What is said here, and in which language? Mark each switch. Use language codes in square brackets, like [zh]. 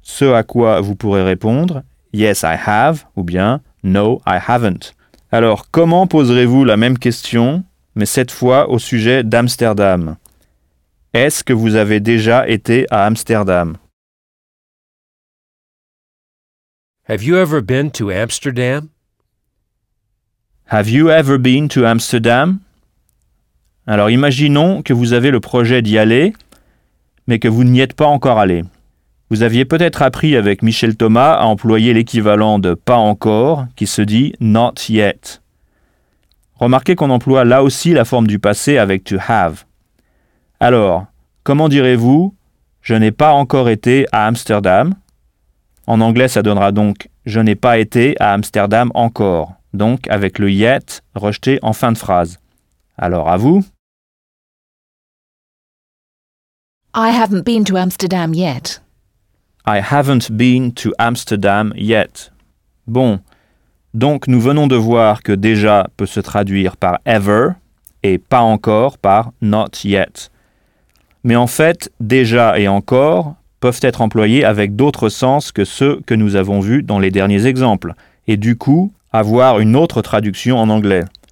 [fr] Ce à quoi vous pourrez répondre « [en] Yes, I have [fr] » ou bien « [en] No, I haven't ». [fr] Alors, comment poserez-vous la même question, mais cette fois au sujet d'Amsterdam ? Est-ce que vous avez déjà été à Amsterdam ? [en] Have you ever been to Amsterdam? Have you ever been to Amsterdam? [fr] Alors, imaginons que vous avez le projet d'y aller, mais que vous n'y êtes pas encore allé. Vous aviez peut-être appris avec Michel Thomas à employer l'équivalent de « pas encore » qui se dit « [en] not yet ». [fr] Remarquez qu'on emploie là aussi la forme du passé avec « [en] to have ». [fr] Alors, comment direz-vous « je n'ai pas encore été à Amsterdam » ? En anglais, ça donnera donc « je n'ai pas été à Amsterdam encore », donc avec le « yet » rejeté en fin de phrase. Alors, à vous. [en] I haven't been to Amsterdam yet. I haven't been to Amsterdam yet. [fr] Bon, donc nous venons de voir que « déjà » peut se traduire par « [en] ever [fr] » et « pas encore » par « [en] not yet ». [fr] Mais en fait, « déjà » et « encore » peuvent être employés avec d'autres sens que ceux que nous avons vus dans les derniers exemples, et du coup, avoir une autre traduction en anglais.